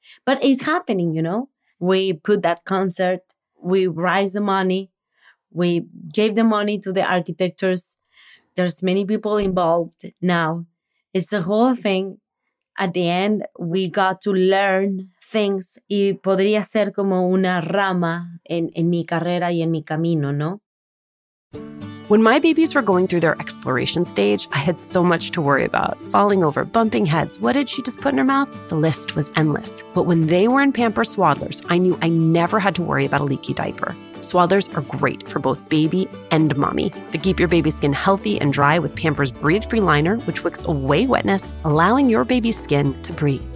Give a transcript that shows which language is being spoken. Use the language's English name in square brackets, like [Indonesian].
[English] But it's happening, you know. We put that concert. We raise the money. We gave the money to the architects. There's many people involved now. It's a whole thing. At the end, we got to learn things. [Spanish] Y podría ser como una rama en mi carrera y en mi camino, ¿no? [English] When my babies were going through their exploration stage, I had so much to worry about. Falling over, bumping heads, what did she just put in her mouth? The list was endless. But when they were in Pampers Swaddlers, I knew I never had to worry about a leaky diaper. Swaddlers are great for both baby and mommy. They keep your baby's skin healthy and dry with Pampers Breathe Free Liner, which wicks away wetness, allowing your baby's skin to breathe.